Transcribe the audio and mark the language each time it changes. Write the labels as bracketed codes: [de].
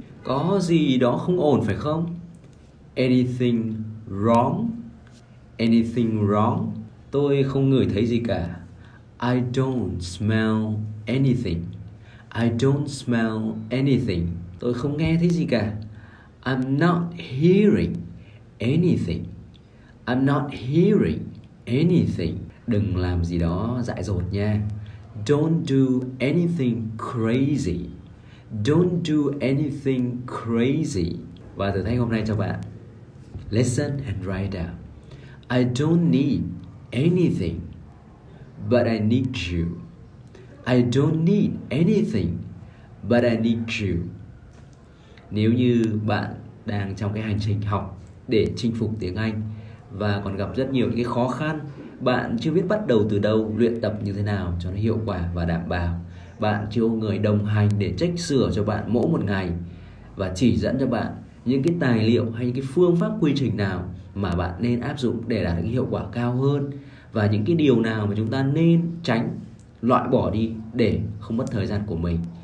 [vi] Có gì đó không ổn phải không? [en] Anything wrong? Anything wrong? [vi] Tôi không ngửi thấy gì cả. [en] I don't smell anything. I don't smell anything. [vi] Tôi không nghe thấy gì cả. [en] I'm not hearing anything. I'm not hearing anything. [vi] Đừng làm gì đó dại dột nha. [en] Don't do anything crazy. Don't do anything crazy. [vi] Và thử thách hôm nay cho bạn. [en] Listen and write down. I don't need anything, but I need you. I don't need anything, but I need you. [vi] Nếu như bạn đang trong cái hành trình học để chinh phục tiếng Anh và còn gặp rất nhiều những cái khó khăn, bạn chưa biết bắt đầu từ đâu, luyện tập như thế nào cho nó hiệu quả và đảm bảo, bạn chưa có người đồng hành để chỉnh sửa cho bạn mỗi một ngày và chỉ dẫn cho bạn những cái tài liệu hay những cái phương pháp quy trình nào mà bạn nên áp dụng để đạt được hiệu quả cao hơn, và những cái điều nào mà chúng ta nên tránh loại bỏ đi để không mất thời gian của mình.